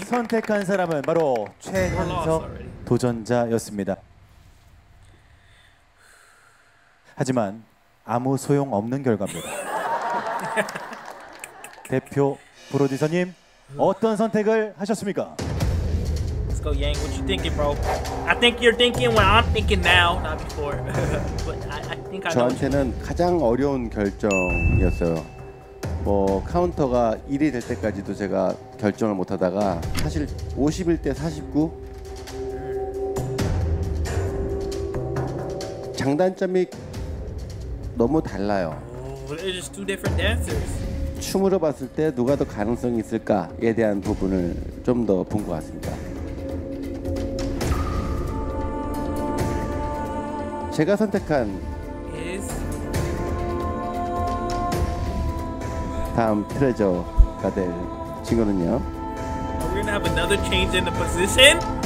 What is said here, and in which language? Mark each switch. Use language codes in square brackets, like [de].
[ko] 선택한 사람은 바로 최현석 도전자였습니다. 하지만 아무 소용 없는 결과입니다. 대표 프로듀서님. 어떤 선택을 하셨습니까? [en] Let's go, Yang. What you thinking, bro? I think you're thinking what I'm thinking now, not before. But I think I. [ko] 저한테는 가장 어려운 결정이었어요. 뭐 카운터가 1이 될 때까지도 제가 결정을 못 하다가 사실 51대 49. 장단점이 너무 달라요. [en] They're just two different dancers. [ko] 춤으로 봤을 때 누가 더 가능성이 있을까에 대한 부분을 좀 더 본 것 같습니다. 제가 선택한 다음 트레저가 될 친구는요. [en] We're gonna have another change in the position.